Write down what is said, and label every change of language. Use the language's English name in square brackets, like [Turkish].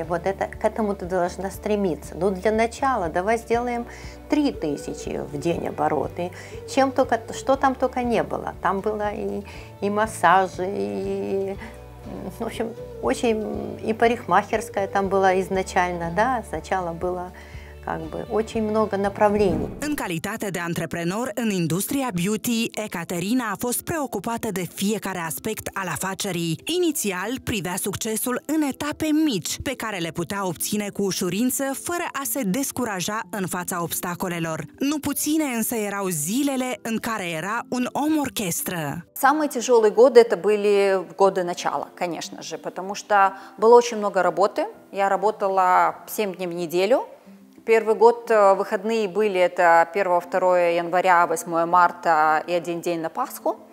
[Russian] И вот это, к этому ты должна стремиться. Но для начала давай сделаем 3000 в день оборот. И чем только, что там только не было. Там было и массажи, и, в общем, очень, и парикмахерская там была изначально, да, сначала было... [Romanian] În calitate de antreprenor în industria beauty, Ecaterina a fost preocupată de fiecare aspect al afacerii. Inițial, privea succesul în etape mici, pe care le putea obține cu ușurință, fără a se descuraja în fața obstacolelor. Nu puține însă erau zilele în care era un om orchestră. [Russian] Самые тяжелые годы это были годы начала, конечно же, потому что было очень много работы. Я работала 7 дней в неделю. Первый год выходные были, это 1-2 января, 8 марта и один день на Пасху.